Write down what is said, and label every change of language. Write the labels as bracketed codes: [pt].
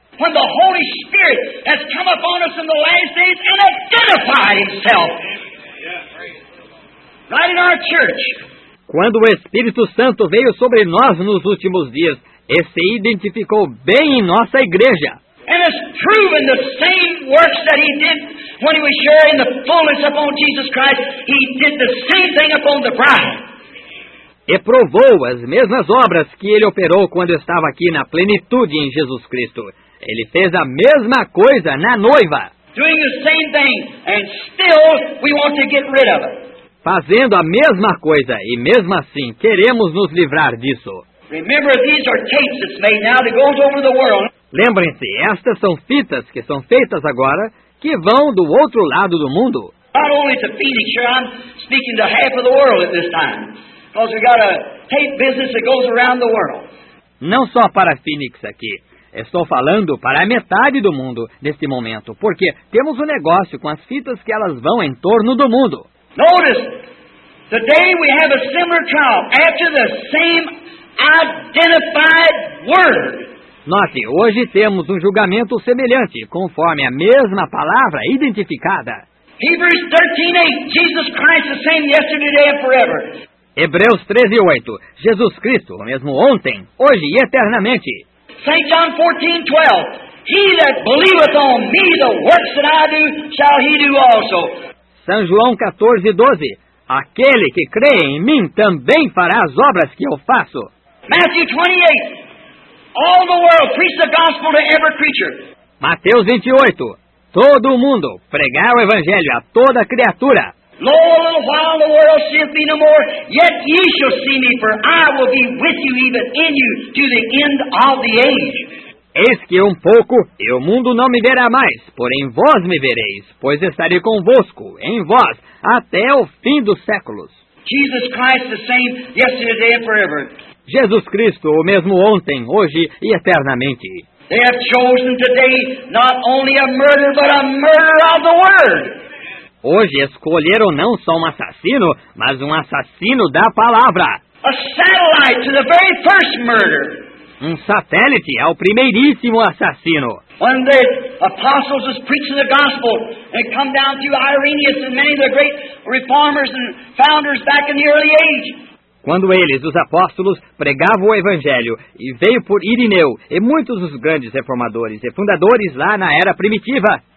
[en] When the Holy Spirit has come upon us in the last days and identified himself. Right in our church. [pt] Quando o Espírito Santo veio sobre nós nos últimos dias, e se identificou bem em nossa igreja. [en] And has proven the same works that he did when he was sharing the fullness upon Jesus Christ, he did the same thing upon the bride. [pt] E provou as mesmas obras que ele operou quando estava aqui na plenitude em Jesus Cristo. Ele fez a mesma coisa na noiva. [en] Doing the same thing, and still we want to get rid of it. [pt] Fazendo a mesma coisa, e mesmo assim, queremos nos livrar disso. [en] Remember, these are tapes that's made now that goes over the world. [pt] Lembrem-se, estas são fitas que são feitas agora, que vão do outro lado do mundo. [en] Not only to Phoenix, I'm speaking to half of the world at this time. Because we've got a tape business that goes around the world. [pt] Não só para Phoenix aqui. Estou falando para a metade do mundo neste momento, porque temos um negócio com as fitas que elas vão em torno do mundo. [en] Notice, the day we have a similar trial after the same identified word. [pt] Note, hoje temos um julgamento semelhante, conforme a mesma palavra identificada. [en] Hebrews 13:8, Jesus Christ the same yesterday, today and forever. [pt] Hebreus 13:8, Jesus Cristo, o mesmo ontem, hoje e eternamente. [en] St. John 14:12. He that believeth on me, the works that I do, shall he do also. [pt] São João 14:12. Aquele que crê em mim também fará as obras que eu faço. [en] Matthew 28. All the world preach the gospel to every creature. [pt] Mateus 28. Todo o mundo pregar o evangelho a toda criatura. [en] Lo, a little while the world seeth me no more, yet ye shall see me, for I will be with you even in you to the end of the age. [pt] Eis que um pouco, e o mundo não me verá mais, porém vós me vereis, pois estarei convosco, em vós, até o fim dos séculos. [en] Jesus Christ the same yesterday and forever. [pt] Jesus Cristo, o mesmo ontem, hoje e eternamente. [en] They have chosen today not only a murder, but a murder of the word. [pt] Hoje escolheram não só um assassino, mas um assassino da palavra. [en] A satellite to the very first murder. [pt] Um satélite ao primeiríssimo assassino. [en] When the apostles was preaching the gospel, they come down through Irenaeus and many of the great reformers and founders back in the early age. [pt] Quando eles, os apóstolos, pregavam o evangelho e veio por Irineu e muitos dos grandes reformadores e fundadores lá na era primitiva.